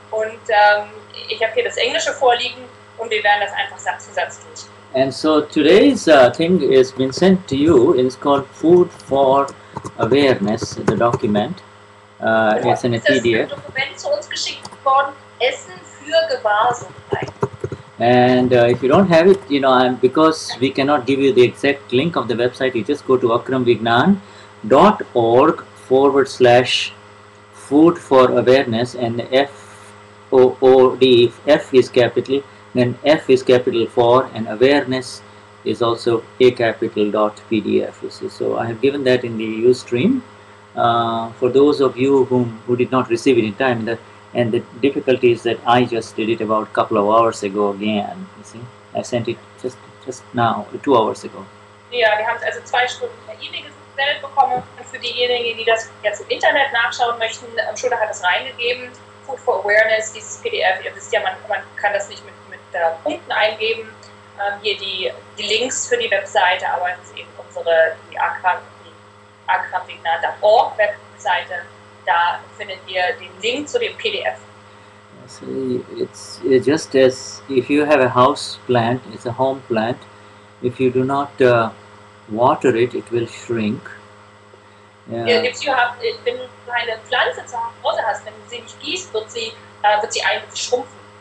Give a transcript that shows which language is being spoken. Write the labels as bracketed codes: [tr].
[de] Und ich habe hier das Englische vorliegen, und wir werden das einfach Satz für Satz durch. [en] And so today's thing has been sent to you. It's called Food for Awareness, the document. [de] Es ist ein Dokument zu uns geschickt worden, Essen für Gewahrsamkeit. [en] And if you don't have it, you know, because we cannot give you the exact link of the website, you just go to akramvignan.org / food for awareness, and FOOD, if F is capital, then F is capital for, and awareness is also a capital dot PDF, you see. So I have given that in the Ustream. For those of you who did not receive it in time, and the difficulty is that I just did it about a couple of hours ago again, you see. I sent it just now, 2 hours ago. [de] Ja, wir haben es also 2 Stunden per E-Mail gestellt bekommen. Und für diejenigen, die das jetzt im Internet nachschauen möchten, Shuddha hat es reingegeben. Food for Awareness, dieses PDF. Ihr wisst ja, man kann das nicht mit Punkten eingeben. Hier die Links für die Webseite, aber es ist eben unsere Akram Vignan.org Webseite. Da findet ihr den Link zu dem PDF. [en] So it's just as if you have a house plant, it's a home plant, if you do not water it, it will shrink. If you have, [de] wenn du eine Pflanze zu Hause hast, wenn du sie nicht gießt, wird sie eigentlich schrumpfen.